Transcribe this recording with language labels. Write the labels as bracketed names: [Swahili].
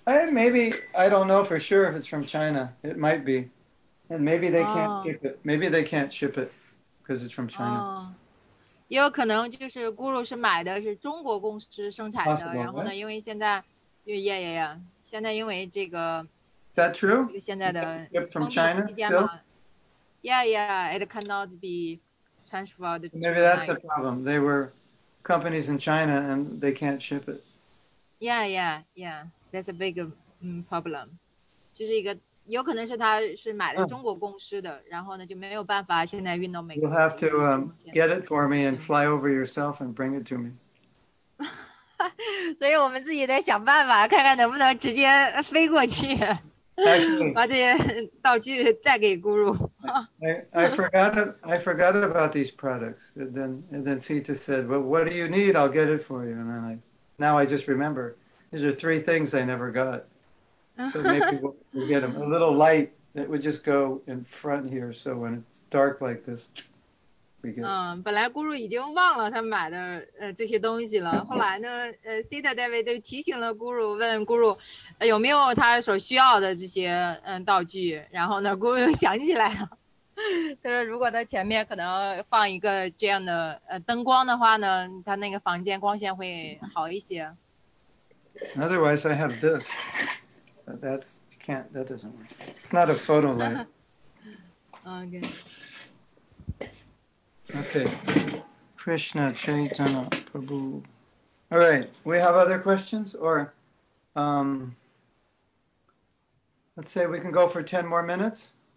[English] Maybe I don't know for sure if it's from China. It might be, and maybe they can't ship it. Maybe they can't ship it because it's from China. [Chinese] 也有可能就是咕噜是买的是中国公司生产的， [English] Possible, [Chinese] 然后呢，因为现在。Yeah. 现在因为这个 [English] Is that true? [Chinese] 现在的 [English] From China still? Yeah. It cannot be transferred. Maybe that's the problem. They were companies in China and they can't ship it. Yeah. That's a big problem. [Chinese] 就是一个有可能是他是买了中国公司的，然后呢就没有办法现在运到美国。 [English] You'll have to get it for me and fly over yourself and bring it to me. [Chinese] 所以我们自己得想办法看看能不能直接飞过去 把这些道具带给咕噜 [English] I forgot about these products and then Sita said well what do you need I'll get it for you and then I just remember these are three things I never got so maybe we'll get them a little light that would just go in front here so when it's dark like this [Chinese] 本来咕噜已经忘了他买的这些东西了后来呢Sita David 就提醒了咕噜问咕噜有没有他所需要的这些道具然后呢咕噜又想起来了他说如果他前面可能放一个这样的灯光的话呢他那个房间光线会好一些 [English] Otherwise I have this that doesn't work It's not a photo light Okay. Okay, Krishna Chaitanya Prabhu. All right, we have other questions? Or let's say we can go for 10 more minutes?